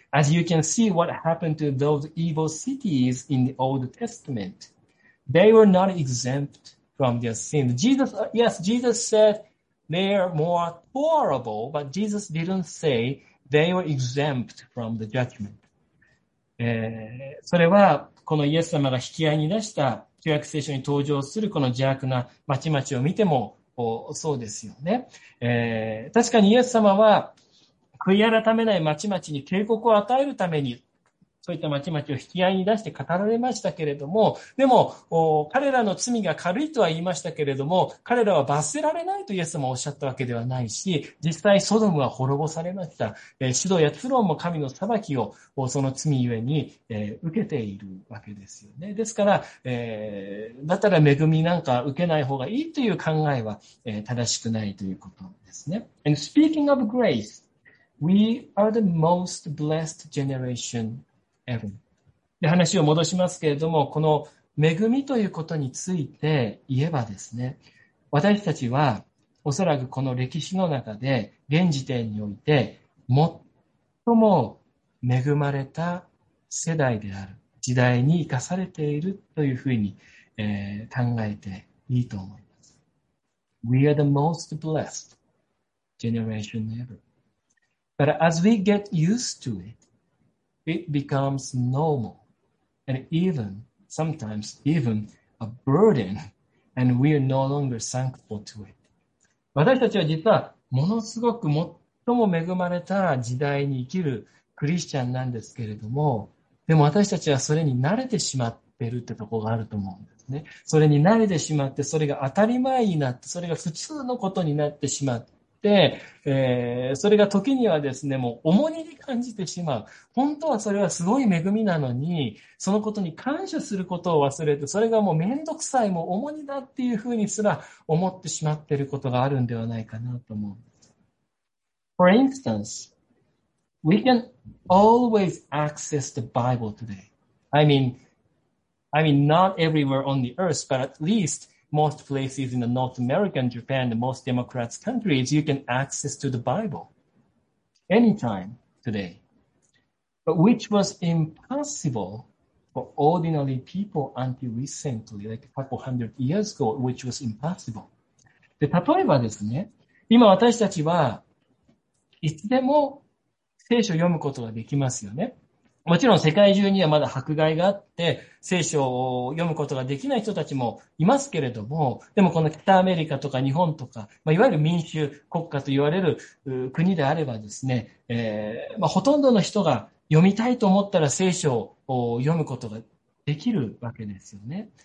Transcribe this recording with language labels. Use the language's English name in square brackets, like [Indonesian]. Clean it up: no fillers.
[English] As you can see what happened to those evil cities in the Old Testament, they were not exempt from their sin. Jesus saidThey are more tolerable, but Jesus didn't say they were exempt from the judgment. [Japanese] それはこのイエス様が引き合いに出した旧約聖書に登場するこの邪悪な町々を見てもそうですよね。確かにイエス様は悔い改めない町々に警告を与えるために、そういった町々を引き合いに出して語られましたけれども、でも彼らの罪が軽いとは言いましたけれども、彼らは罰せられないとイエス様はおっしゃったわけではないし、実際ソドムは滅ぼされました。シドやツロンも神の裁きをその罪ゆえに受けているわけですよね。ですから、だったら恵みなんか受けない方がいいという考えは正しくないということですね。 [English] And speaking of grace, we are the most blessed generation. [Japanese] で話を戻しますけれども、この恵みということについて言えばですね、私たちはおそらくこの歴史の中で現時点において最も恵まれた世代である時代に生かされているというふうに、考えていいと思います。 [English] We are the most blessed generation ever. But as we get used to itIt becomes normal and even sometimes even a burden and we are no longer thankful to it. [Japanese] 私たちは実はものすごく最も恵まれた時代に生きるクリスチャンなんですけれども、でも私たちはそれに慣れてしまってるってところがあると思うんですね。それに慣れてしまって、それが当たり前になって、それが普通のことになってしまってで、それが時にはですね、もう重荷に感じてしまう。本当はそれはすごい恵みなのに、そのことに感謝することを忘れて、それがもうめんどくさい、もう重荷だっていうふうにすら思ってしまっていることがあるんではないかなと思う。 [English] For instance, we can always access the Bible today. I mean, not everywhere on the earth, but at leastMost places in the North American, Japan, the most democratic countries, you can access to the Bible anytime today. But which was impossible for ordinary people until recently, like a couple hundred years ago, which was impossible. [Japanese] で、例えばですね、今私たちはいつでも聖書を読むことができますよね。もちろん世界中にはまだ迫害があって、聖書を読むことができない人たちもいますけれども、でもこの北アメリカとか日本とか、まあ、いわゆる民主国家と言われる国であればですね、まあ、ほとんどの人が読みたいと思ったら聖書を読むことができるわけですよね。